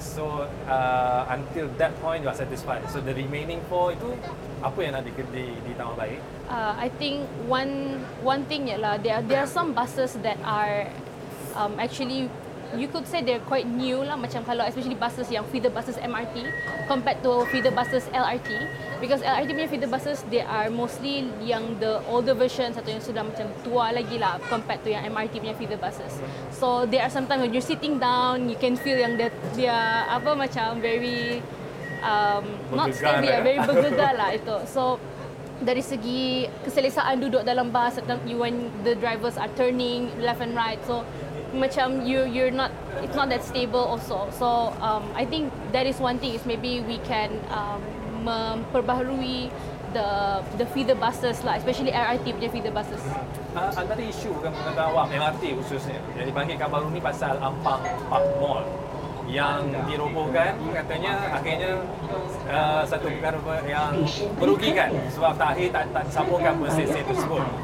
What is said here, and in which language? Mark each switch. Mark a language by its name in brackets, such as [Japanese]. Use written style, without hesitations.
[English] So until that point you are satisfied. So the remaining 4 [Malay] itu apa yang nak ditambah baik? [English] I think one thing [Malay] ialah [English] there are some buses that are actually, you could say they're quite new lah. [Malay] Macam kalau [English] especially buses yang feeder buses MRT compared to feeder buses LRT. Because LRT punya feeder buses, they are mostly yang the older versions [Malay] atau yang sudah macam tua lagi lah [English] compared to [Malay] yang MRT punya [English] feeder buses. So there are sometimes when you're sitting down, you can feel [Malay] yang dia apa macam [English] very not steady, very [Malay] bergegar lah itu. [English] So [Malay] dari segi keselesaan duduk dalam bus, [English] when the drivers are turning left and right, so macam you're not, it's not that stable also. So I think that is one thing, is maybe we can [Malay] memperbaharui [English] the feeder buses lah, especially LRT [Malay] punya [English] feeder buses. [Malay] Antara isu kan pengguna awam MRT khususnya yang dibangkitkan baru ni pasal Ampang Park Mall yang dirobohkan, katanya akhirnya satu perkara yang merugikan sebab tak akhir tak disambungkan persesi tersebut.